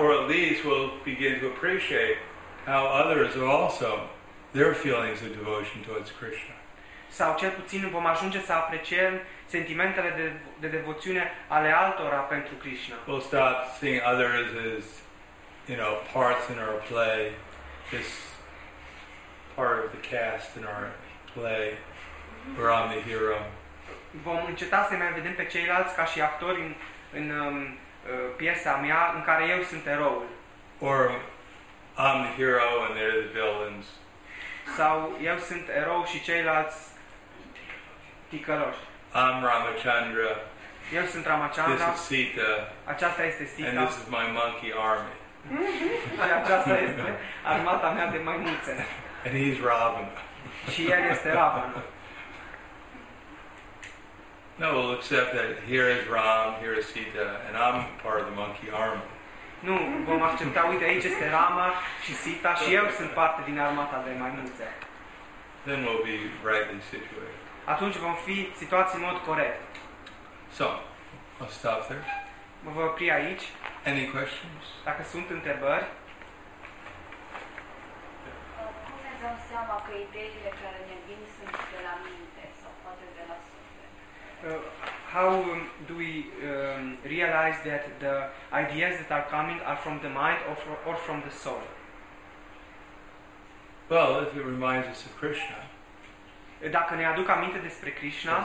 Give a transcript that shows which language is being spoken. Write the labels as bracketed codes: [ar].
[en] Or at least we'll begin to appreciate how others are also their feelings of devotion towards Krishna. [ro] Sau cel puțin vom ajunge să apreciem sentimentele de devoțiune ale altora pentru Krishna. [en] We'll stop seeing others as, you know, parts in our play, just part of the cast in our play, where I'm the hero. [ro] Vom înceta să mai vedem pe ceilalți ca și actori în piesa mea în care eu sunt eroul. [en] Or I'm the hero and they're the villains. [ro] Sau eu sunt erou și ceilalți ticăloși. [en] I'm Ramachandra. [ro] Eu sunt Ramachandra. [en] This is Sita. [ro] Aceasta este Sita. [en] And this is my monkey army. [ro] Aceasta este armata mea de maimuțe. [en] And he's Ravana. [ro] Și el este Ravana. [en] No, we'll accept that here is Ram, here is Sita, and I'm part of the monkey army. [ro] Nu, vom accepta, uite, aici este Rama și Sita și eu sunt parte din armata de maimuțe. [en] Then we'll be rightly situated. [ro] Atunci vom fi situați în mod corect. [en] So, I'll stop there. [ro] Mă voi opri aici. [en] Any questions? [ro] Dacă sunt întrebări. Cum ne dăm seama că ideile care ne vin sunt de la minte sau poate de la suflet? [en] How do we realize that the ideas that are coming are from the mind or from the soul? Well, if it reminds us of Krishna. [ro] Dacă ne aduc aminte despre Krishna,